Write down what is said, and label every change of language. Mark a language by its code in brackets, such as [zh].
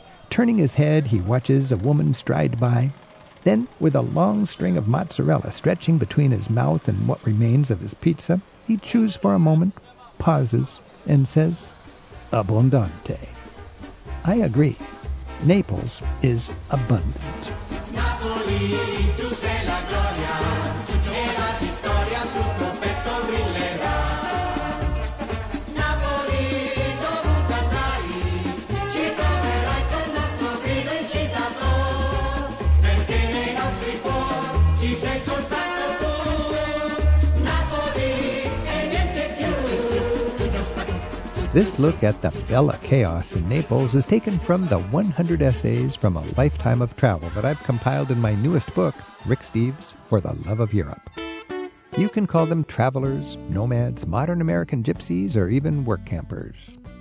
[en] Turning his head, he watches a woman stride by. Then, with a long string of mozzarella stretching between his mouth and what remains of his pizza, he chews for a moment, pauses, and says, Abbondante. I agree. Naples is abundant. [it] Napoli, tu sei la gloria, e la vittoria sul tuo petto brillerà. Napoli, dovunque andrai, ci troverai con nostro grido incitato, perché nei nostri cuori ci sei soltanto tu. Napoli, e niente più. [en] This look at the Bella Chaos in Naples is taken from the 100 essays from a lifetime of travel that I've compiled in my newest book, Rick Steves, For the Love of Europe. You can call them travelers, nomads, modern American gypsies, or even work campers.